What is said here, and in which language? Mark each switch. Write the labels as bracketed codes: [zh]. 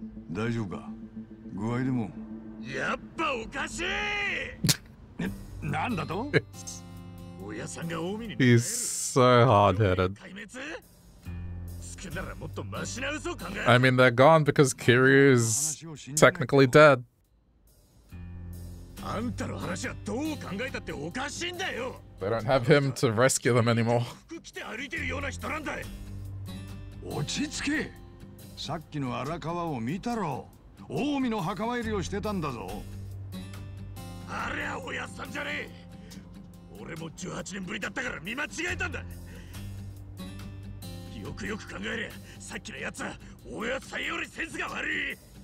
[ja] 大丈夫か？具合でも。やっぱおかしい。なんだと？おやさんが大見に。 [en] He's so hard-headed. [ja] 壊滅？つくならもっとマシな嘘を考え。 [en] I mean, they're gone because Kiryu's technically dead. [ja] あんたの話はどう考えたっておかしいんだよ。 [en] They don't have him to rescue them anymore. [ja] 服着て歩いてるような人なんだ。落ち着け。さっきの荒川を見たろ。近江の墓参りをしてたんだぞ。あれはおやっさんじゃねえ。俺も18年ぶりだったから見間違えたんだ。よくよく考えりゃ、さっきのやつはおやっさんよりセンスが悪い。